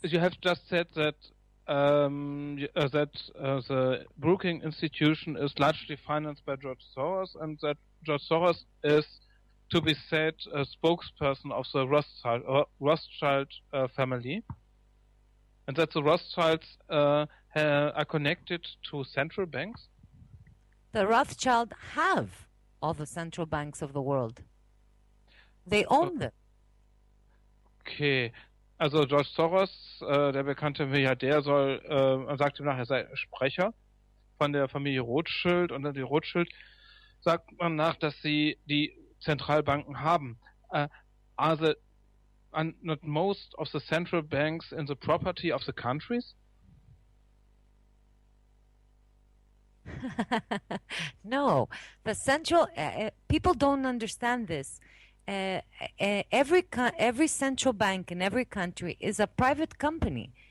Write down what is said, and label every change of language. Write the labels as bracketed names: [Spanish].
[English] You have just said that the Brookings Institution is largely financed by George Soros, and that George Soros is, to be said, a spokesperson of the Rothschild family, and that the Rothschilds are connected to central banks. The Rothschild have all the central banks of the world. They own them. Okay. [German] Also George Soros, der bekannte Milliardär, soll, man sagt ihm nach, er sei Sprecher von der Familie Rothschild. Und dann die Rothschild sagt man nach, dass sie die Zentralbanken haben. [English] Are not most of the central banks in the property of the countries? No, the central people don't understand this. Every central bank in every country is a private company.